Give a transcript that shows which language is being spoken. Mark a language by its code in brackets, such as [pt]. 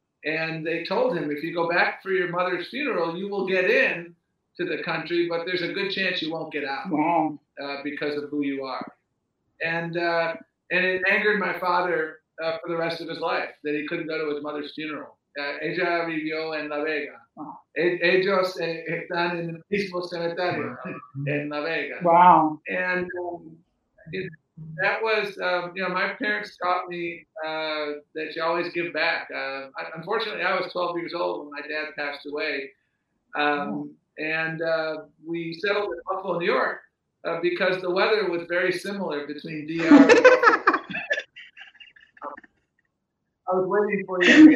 [en] And they told him, if you go back for your mother's funeral, you will get in to the country, but there's a good chance you won't get out because of who you are. And it angered my father for the rest of his life that he couldn't go to his mother's funeral. [es] Ella vivió en La Vega. Wow. Ellos están en el mismo cementerio en La Vega. Wow. [en] And that was, you know, my parents taught me that you always give back. Unfortunately, I was 12 years old when my dad passed away. And we settled in Buffalo, New York, because the weather was very similar between DR and Buffalo. I was waiting for you.